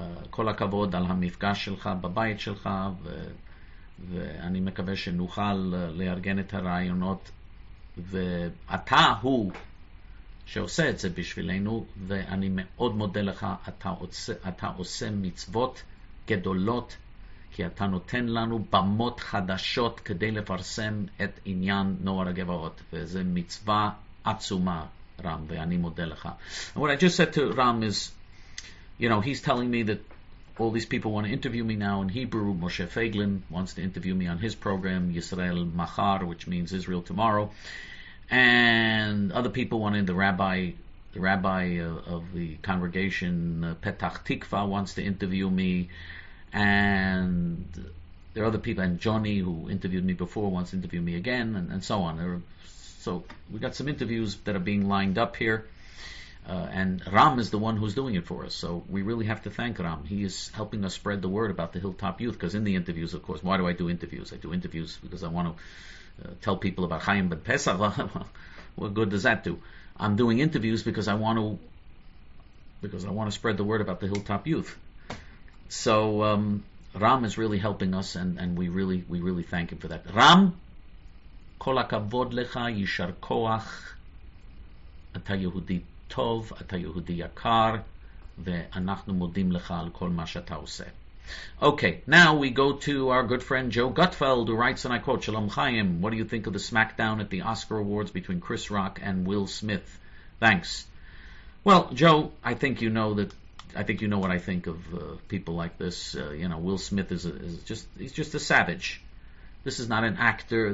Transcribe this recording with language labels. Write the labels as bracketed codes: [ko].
[he] כל הכבוד על המפגש שלך בבית שלך, ואני מקווה שנוכל לארגן את הרעיונות, ואתה הוא שעושה את זה בשבילנו, ואני מאוד מודה לך. אתה עושה מצוות גדולות, כי אתה נותן לנו במות חדשות כדי לפרסם את עניין נוער הגבעות, וזה מצווה עצומה, Ram, ואני מודה לך. [en] And what I just said to Ram is, you know, he's telling me that all these people want to interview me now in Hebrew. Moshe Feiglin wants to interview me on his program, Yisrael Machar, which means Israel tomorrow. And other people wanted, the rabbi of the congregation, Petach Tikva, wants to interview me. And there are other people, and Johnny, who interviewed me before, wants to interview me again, and so on. There are, so we got some interviews that are being lined up here, and Ram is the one who's doing it for us. So we really have to thank Ram. He is helping us spread the word about the Hilltop Youth, because in the interviews, of course, why do I do interviews? I do interviews because I want to tell people about Chaim ben Pesach. What good does that do? I'm doing interviews because I want to spread the word about the Hilltop Youth. So Ram is really helping us, and we really thank him for that. [he] Ram, כל הכבוד לך, יישר כוח, אתה יהודי טוב, אתה יהודי יקר, ואנחנו מודים לך על כל מה שאתה עושה. [en] Okay, now we go to our good friend Joe Gutfeld, who writes, and I quote, Shalom Chaim, what do you think of the smackdown at the Oscar Awards between Chris Rock and Will Smith? Thanks. Well, Joe, I think you know that, I think you know what I think of people like this. You know, Will Smith is just a savage. This is not an actor.